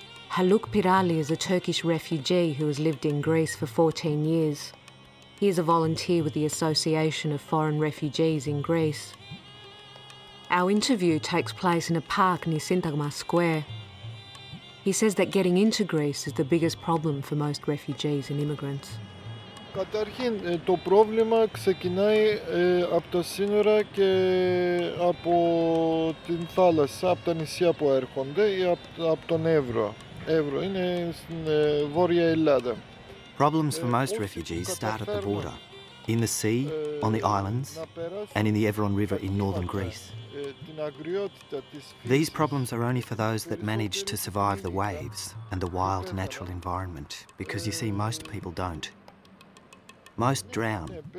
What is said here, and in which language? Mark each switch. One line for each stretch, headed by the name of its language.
English: Haluk Pirali is a Turkish refugee who has lived in Greece for 14 years. He is a volunteer with the Association of Foreign Refugees in Greece. Our interview takes place in a park near Syntagma Square. He says that getting into Greece is the biggest problem for most refugees and immigrants.
Greek: Καταρχήν, το πρόβλημα ξεκινάει από τα σύνορα και από την θάλασσα, από τα νησιά που έρχονται ή από τον Εύρο. Ευρώ, είναι στην Βόρεια Ελλάδα.
English: Problems for most refugees start at the border, in the sea, on the islands, and in the Evron River in northern Greece. These problems are only for those that manage to survive the waves and the wild natural environment, because you see, most people don't. Most drown.